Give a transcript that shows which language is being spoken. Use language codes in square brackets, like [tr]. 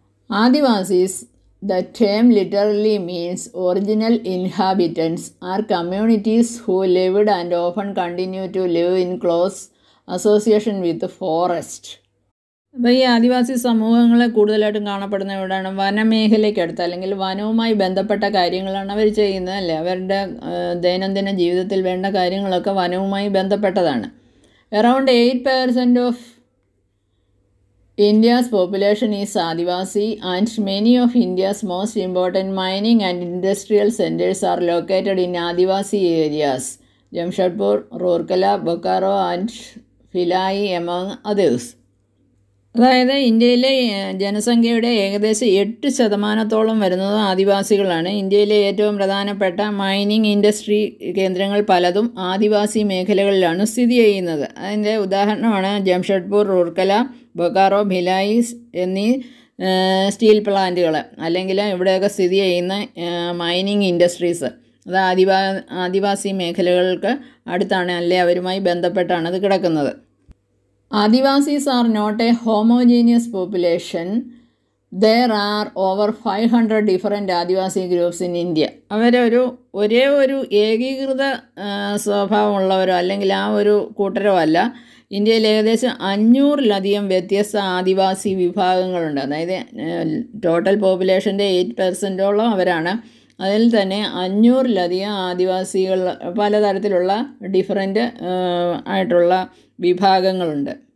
[en] Adivasis, the term literally means original inhabitants, are communities who lived and often continue to live in close association with the forest. [ml] അപ്പോൾ ഈ ആദിവാസി സമൂഹങ്ങളെ കൂടുതലായിട്ടും കാണപ്പെടുന്ന എവിടെയാണ്? വനമേഖലയ്ക്കടുത്ത് അല്ലെങ്കിൽ വനവുമായി ബന്ധപ്പെട്ട കാര്യങ്ങളാണ് അവർ ചെയ്യുന്നത്, അല്ലേ? അവരുടെ ദൈനംദിന ജീവിതത്തിൽ വേണ്ട കാര്യങ്ങളൊക്കെ വനവുമായി ബന്ധപ്പെട്ടതാണ്. [en] Around 8% of India's population is Adivasi and many of India's most important mining and industrial centers are located in Adivasi areas. Jamshedpur, Rourkela, Bokaro and Bhilai among others. [ml] അതായത് ഇന്ത്യയിലെ ജനസംഖ്യയുടെ ഏകദേശം 8% വരുന്നത് ആദിവാസികളാണ്. ഇന്ത്യയിലെ ഏറ്റവും പ്രധാനപ്പെട്ട മൈനിങ് ഇൻഡസ്ട്രി കേന്ദ്രങ്ങൾ പലതും ആദിവാസി മേഖലകളിലാണ് സ്ഥിതി ചെയ്യുന്നത്. അതിൻ്റെ ഉദാഹരണമാണ് ജംഷഡ്പൂർ, റൂർക്കല, ബൊക്കാറോ, ഭിലായി എന്നീ സ്റ്റീൽ പ്ലാന്റുകൾ, അല്ലെങ്കിൽ ഇവിടെയൊക്കെ സ്ഥിതി ചെയ്യുന്ന മൈനിങ് ഇൻഡസ്ട്രീസ്. അത് ആദിവാസി മേഖലകൾക്ക് അടുത്താണ്, അല്ലെങ്കിൽ അവരുമായി ബന്ധപ്പെട്ടാണ് അത് കിടക്കുന്നത്. [en] Adivasis are not a homogeneous population. There are over 500 different Adivasi groups in India. [ml] അവരൊരു ഒരേ ഒരു ഏകീകൃത സ്വഭാവമുള്ളവരോ അല്ലെങ്കിൽ ആ ഒരു കൂട്ടരോ അല്ല. ഇന്ത്യയിൽ ഏകദേശം 500-ലധികം വ്യത്യസ്ത ആദിവാസി വിഭാഗങ്ങളുണ്ട്. അതായത് ടോട്ടൽ പോപ്പുലേഷൻ്റെ 8% അവരാണ്. അതിൽ തന്നെ 500-ലധികം ആദിവാസികൾ പലതരത്തിലുള്ള ഡിഫറൻറ്റ് ആയിട്ടുള്ള വിഭാഗങ്ങളുണ്ട്.